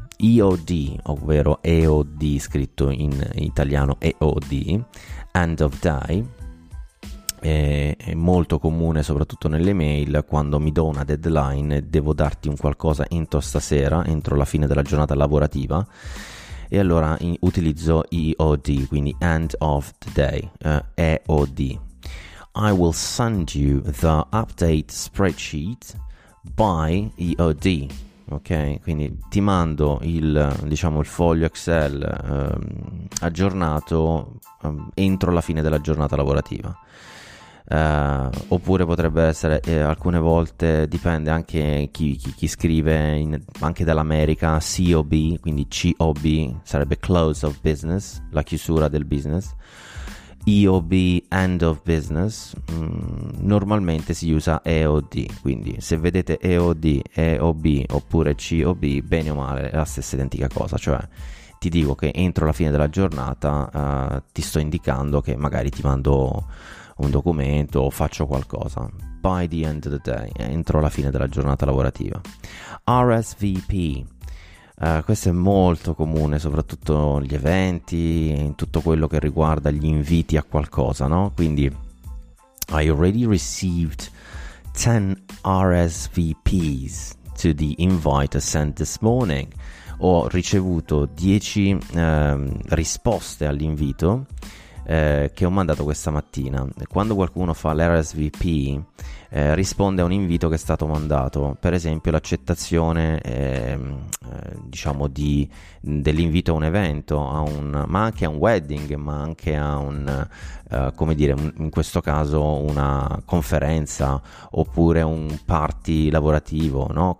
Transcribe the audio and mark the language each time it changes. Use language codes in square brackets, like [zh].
[it] EOD, ovvero EOD, scritto in italiano EOD, end of day, è molto comune soprattutto nelle mail, quando mi do una deadline, devo darti un qualcosa entro stasera, entro la fine della giornata lavorativa, e allora utilizzo EOD, quindi end of the day, EOD. [en] I will send you the update spreadsheet by EOD. [it] Ok, quindi ti mando il, diciamo, il foglio Excel aggiornato entro la fine della giornata lavorativa. oppure potrebbe essere alcune volte, dipende anche chi scrive, anche dall'America, COB, quindi COB sarebbe close of business, la chiusura del business, EOB, end of business, normalmente si usa EOD, quindi se vedete EOD, EOB oppure COB, bene o male è la stessa identica cosa, cioè ti dico che entro la fine della giornata ti sto indicando che magari ti mando un documento o faccio qualcosa. By the end of the day, entro la fine della giornata lavorativa. RSVP, questo è molto comune, soprattutto negli eventi, in tutto quello che riguarda gli inviti a qualcosa, no? [en] Quindi, I already received 10 RSVPs to the invite I sent this morning. [it] Ho ricevuto 10 risposte all'invito che ho mandato questa mattina. Quando qualcuno fa l'RSVP, risponde a un invito che è stato mandato, per esempio l'accettazione diciamo dell'invito a un evento, ma anche a un wedding, ma anche a un come dire, in questo caso una conferenza oppure un party lavorativo, no?